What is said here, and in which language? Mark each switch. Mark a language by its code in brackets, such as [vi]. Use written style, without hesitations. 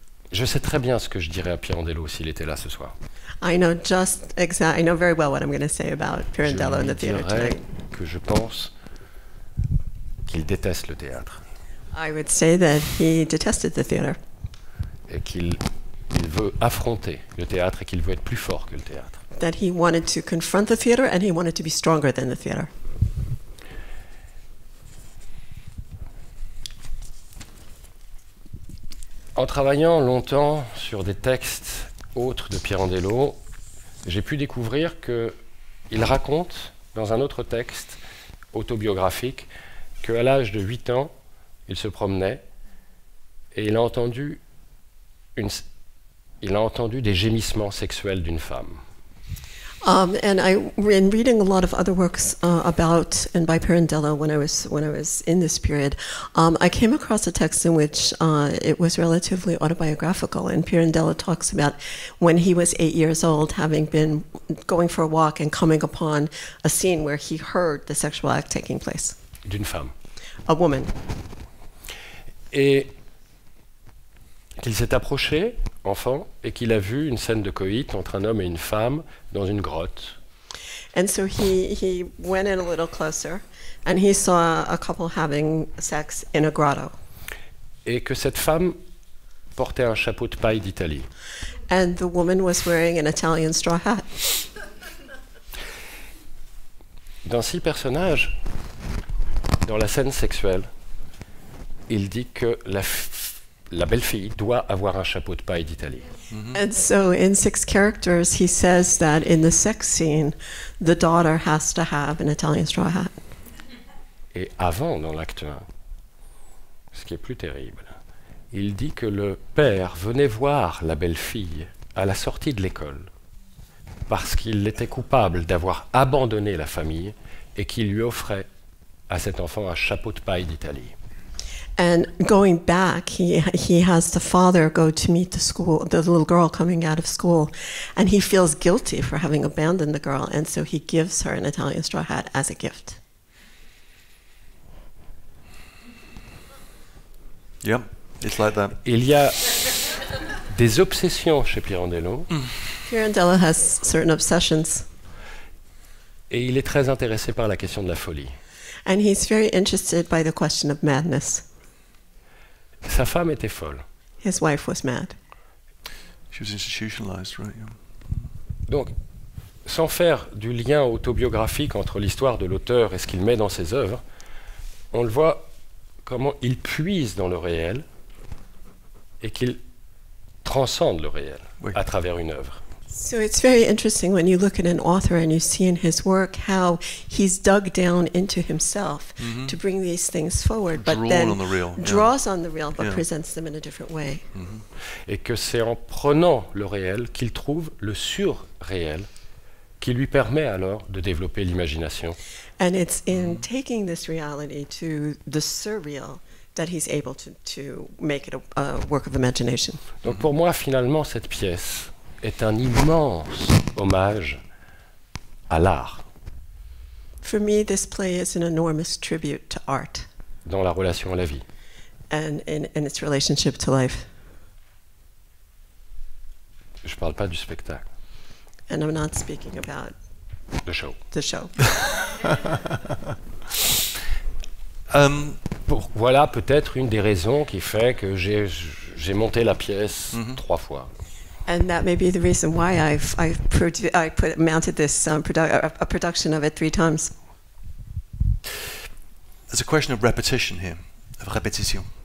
[fr] Je sais très bien ce que je dirais à Pirandello s'il était là ce soir. [en] I know very well what I'm going to say about Pirandello in the theater tonight. [fr] Je dirais que je pense qu'il déteste le théâtre. [en] I would say that he detested the theater. [fr] Et qu'il veut affronter le théâtre et qu'il veut être plus fort que le théâtre. [en] That he wanted to confront the theater and he wanted to be stronger than the theater. [fr] En travaillant longtemps sur des textes autres de Pirandello, j'ai pu découvrir qu'il raconte, dans un autre texte autobiographique, qu'à l'âge de 8 ans, il se promenait et il a entendu des gémissements sexuels d'une femme. [en] And I, in reading a lot of other works about and by Pirandello when I was in this period, I came across a text in which it was relatively autobiographical, and Pirandello talks about when he was 8 years old having been going for a walk and coming upon a scene where he heard the sexual act taking place. [fr] D'une femme. [en] A woman. [fr] Et qu'il s'est approché, enfant, et qu'il a vu une scène de coït entre un homme et une femme dans une grotte. [en] And so he went in a little closer, and he saw a couple having sex in a grotto. [fr] Et que cette femme portait un chapeau de paille d'Italie. [en] And the woman was wearing an Italian straw hat. [fr] Dans 6 personnages, dans la scène sexuelle, il dit que la La belle fille doit avoir un chapeau de paille d'Italie. Mm-hmm. [en] And so in six characters, he says that in the sex scene, the daughter has to have an Italian straw hat. [fr] Et avant, dans l'acte 1, ce qui est plus terrible, il dit que le père venait voir la belle fille à la sortie de l'école parce qu'il était coupable d'avoir abandonné la famille et qu'il lui offrait à cet enfant un chapeau de paille d'Italie. [en] And going back, he has the father go to meet the school, the little girl coming out of school, and he feels guilty for having abandoned the girl, and so he gives her an Italian straw hat as a gift. Yep, it's like that. [fr] Il y a des obsessions chez Pirandello. [en] Pirandello has certain obsessions. [fr] Et il est très intéressé par la question de la folie. [en] And he's very interested by the question of madness. [fr] Sa femme était folle. [en] His wife was mad. She was institutionalized, right? Yeah. [fr] Donc, sans faire du lien autobiographique entre l'histoire de l'auteur et ce qu'il met dans ses œuvres, on le voit comment il puise dans le réel et qu'il transcende le réel à travers une œuvre. [en] So it's very interesting when you look at an author and you see in his work how he's dug down into himself mm-hmm. to bring these things forward, but then on the real, draws on the real, but presents them in a different way. Mm-hmm. [fr] Et que c'est en prenant le réel qu'il trouve le surréel qui lui permet alors de développer l'imagination. [en] And it's in taking this reality to the surreal that he's able to make it a work of imagination. [fr] Donc pour moi, finalement, cette pièce est un immense hommage à l'art. [en] For me, this play is an enormous tribute to art. [fr] Dans la relation à la vie. [en] And in its relationship to life. [fr] Je ne parle pas du spectacle. [en] And I'm not speaking about the show. The show. [fr] voilà peut-être une des raisons qui fait que j'ai monté la pièce trois fois. [en] And that may be the reason why I mounted this production of it three times. There's a question of repetition here, of répétition.